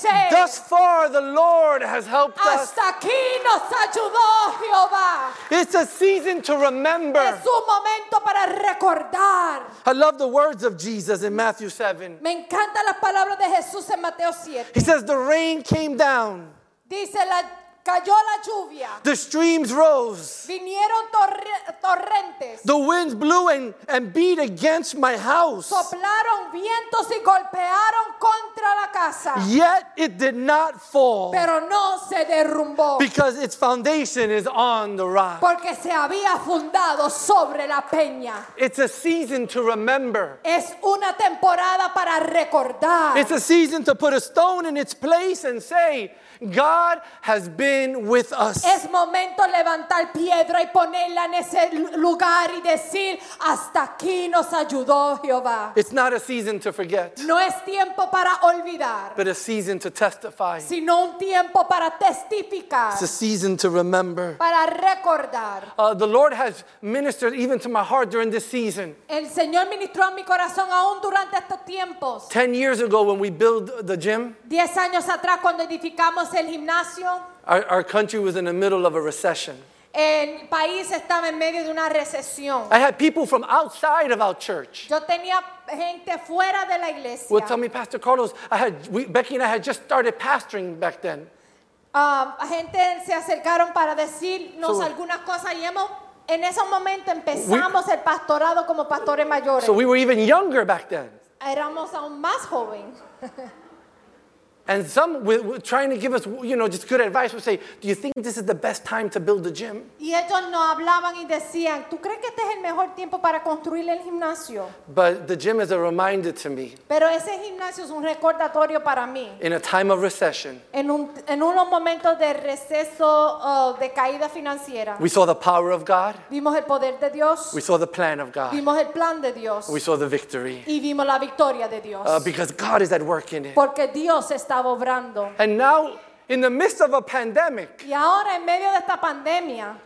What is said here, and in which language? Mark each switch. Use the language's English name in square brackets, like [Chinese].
[English] Thus far, the Lord has helped [Spanish] Hasta [English] us. [Spanish] Hasta aquí nos ayudó Jehová. [English] It's a season to remember. [Spanish] Es un momento para recordar. [English] I love the words of Jesus in Matthew 7. [Spanish] Me encanta las palabras de Jesús en Mateo 7. [English] He says, "The rain came down." [Spanish] Dice la cayó la lluvia. [English] The streams rose. [Spanish] Vinieron torrentes. [English] The winds blew and beat against my house. [Spanish] Soplaron vientos y golpearon contra la casa. [English] Yet it did not fall. [Spanish] Pero no se derrumbó. [English] Because its foundation is on the rock. [Spanish] Porque se había fundado sobre la peña. [English] It's a season to remember. [Spanish] Es una temporada para recordar. [English] It's a season to put a stone in its place and say, God has been with us. [Spanish] Es momento levantar piedra y ponerla en ese lugar y decir hasta aquí nos ayudó Jehová. [English] It's not a season to forget. [Spanish] No es tiempo para olvidar. [English] But a season to testify. [Spanish] Sino un tiempo para testificar. [English] It's a season to remember. [Spanish] Para recordar. [English] The Lord has ministered even to my heart during this season. [Spanish] El Señor ministró a mi corazón aún durante estos tiempos. [English] 10 years ago when we built the gym. [Spanish] 10 años atrás cuando edificamos el gimnasio. [English] Our country was in the middle of a recession. [Spanish] El país estaba en medio de una recesión. [English] I had people from outside of our church. [Spanish] Yo tenía gente fuera de la iglesia. [English] Well, tell me, Pastor Carlos, Becky and I had just started pastoring back then. [Spanish] Gente se acercaron para decirnos so, algunas cosas y hemos en ese momento empezamos el pastorado como pastores mayores. [English] So we were even younger back then. [Spanish] Éramos aún más joven. [English] And some were trying to give us, you know, just good advice. Would say, do you think this is the best time to build the gym? [Spanish] Y ellos nos hablaban y decían, ¿tú crees que este es el mejor tiempo para construir el gimnasio? [English] But the gym is a reminder to me. [Spanish] Pero ese gimnasio es un recordatorio para mí. [English] In a time of recession. [Spanish] En unos momentos de receso, de caída financiera. [English] We saw the power of God. [Spanish] Vimos el poder de Dios. [English] We saw the plan of God. [Spanish] Vimos el plan de Dios. [English] We saw the victory. [Spanish] Y vimos la victoria de Dios. [English] Because God is at work in it. [Spanish] Porque Dios es [English] And now, in the midst of a pandemic, [Spanish] y ahora, en medio de esta pandemia,